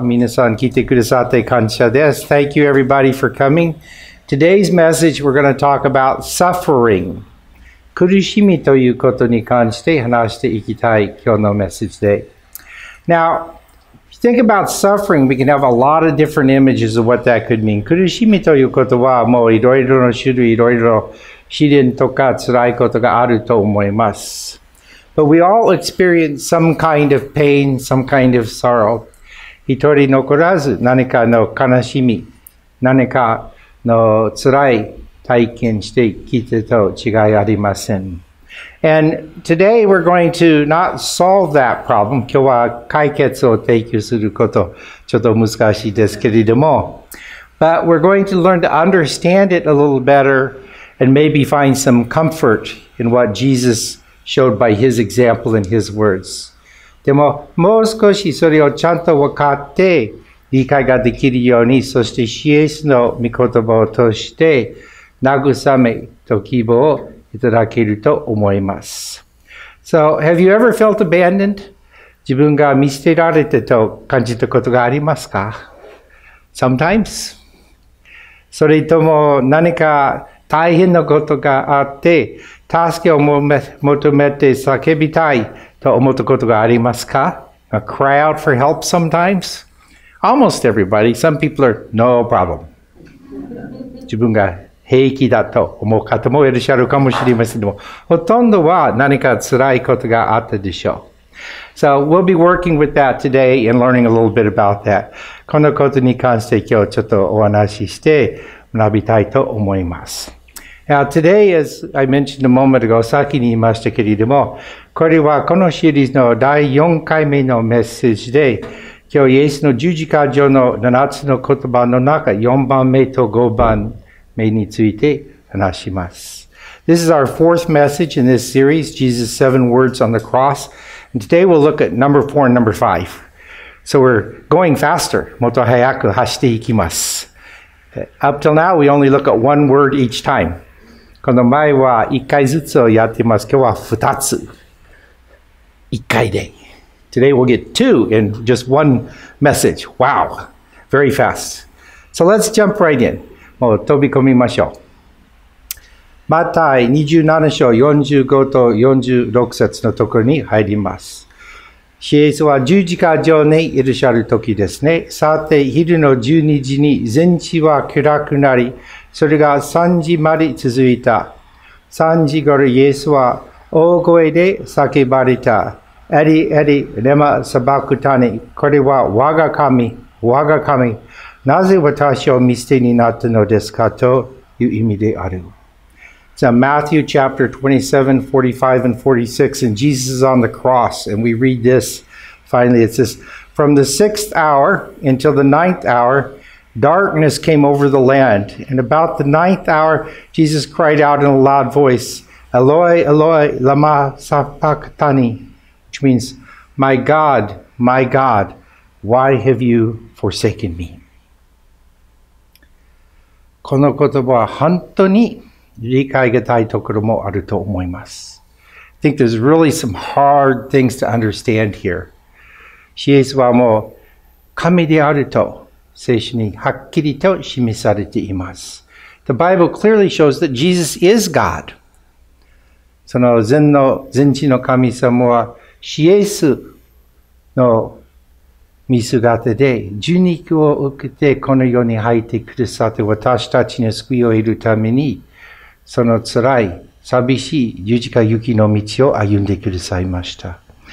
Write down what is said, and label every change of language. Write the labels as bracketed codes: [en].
[ja] 皆さん、聞いてくださって感謝です。 [en] Thank you, everybody, for coming. Today's message, we're going to talk about suffering. [ja] 苦しみということに関して話していきたい、今日のメッセージで。 [en] Now, if you think about suffering, we can have a lot of different images of what that could mean. [ja] 苦しみということは、もういろいろな種類、いろいろ試練とか辛いことがあると思います。 [en] But we all experience some kind of pain, some kind of sorrow. [ja] 一人残らず何かの悲しみ、何かの辛い体験してきてと違いありません。 [en] And today we're going to not solve that problem. [ja] 今日は解決を提供することちょっと難しいですけれども。 [en] But we're going to learn to understand it a little better and maybe find some comfort in what Jesus showed by his example and his words. [ja] でも、もう少しそれをちゃんと分かって理解ができるように、そしてイエスの御言葉を通して慰めと希望をいただけると思います。 [en] So, have you ever felt abandoned? [ja] 自分が見捨てられてと感じたことがありますか? [en] Sometimes. [ja] それとも何か大変なことがあって助けを求めて叫びたいと思ったことがありますか? [en] A cry out for help sometimes? Almost everybody. Some people are, no problem. [ja] 自分が平気だと思う方もいらっしゃるかもしれませんけども、ほとんどは何か辛いことがあったでしょう。 [en] So we'll be working with that today and learning a little bit about that. [ja] このことに関して今日ちょっとお話しして学びたいと思います。 [en] Now today, as I mentioned a moment ago, [ja] 先に言いましたけれども、これはこのシリーズの第4回目のメッセージで、今日イエスの十字架上の7つの言葉の中、4番目と5番目について話します。 [en] This is our fourth message in this series, Jesus' seven words on the cross. And today we'll look at number 4 and number 5. So we're going faster, [ja] もっと速く走っていきます。 [en] Up till now, we only look at one word each time. [ja] この前は1回ずつをやってます。今日は2つ。 1回で。 [en] Today we'll get two in just one message. Wow. Very fast. So let's jump right in. [ja] もう飛び込みましょう。マタイ27章45と46節のところに入ります。イエスは十字架上にいらっしゃる時ですね。さて、昼の12時に全地は暗くなり、それが3時まで続いた。 3時ごろイエスは大声で叫ばれた。エリエリ、レマ、サバクタニ。これは我が神、我が神。なぜ私を見捨てになったのですかという意味である。 [en] So Matthew chapter 27, 45 and 46, and Jesus is on the cross, and we read this, finally it says, From the sixth hour until the ninth hour, darkness came over the land, and about the ninth hour, Jesus cried out in a loud voice, Eloi, Eloi, lama sabachthani, which means, my God, why have you forsaken me? [ja] この言葉は本当に理解がたいところもあると思います。 [en] I think there's really some hard things to understand here. [ja] イエスはもう神であると聖書にはっきりと示されています。 [en] The Bible clearly shows that Jesus is God. [ja] その全の全知の神様はイエスの見姿で受肉を受けてこの世に入ってくださって私たちの救いを得るためにその辛い、寂しい十字架行きの道を歩んでくださいました。